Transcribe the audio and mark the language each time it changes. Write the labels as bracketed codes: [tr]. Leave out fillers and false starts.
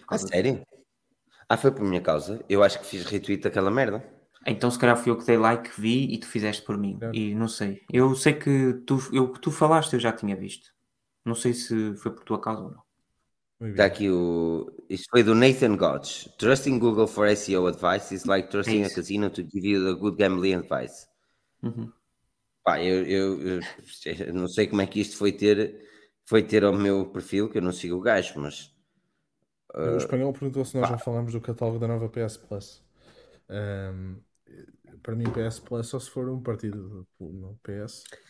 [pt] por causa. Ah, sério? Foi por minha causa. Eu acho que fiz retweet daquela merda. Então, se calhar fui eu que dei like, vi e tu fizeste por mim. É. E não sei. Eu sei que tu falaste, eu já tinha visto. Não sei se foi por tua causa ou não. Está aqui o... Isto foi do Nathan Gotch. [en] Trusting Google for SEO advice is like trusting a casino to give you a good gambling advice. Uhum. [pt] Pá, eu não sei como é que isto foi ter ao meu perfil, que eu não sigo o gajo, mas... O espanhol perguntou se nós já falamos do catálogo da nova PS Plus. Para mim, PS Plus só se for um partido no PS.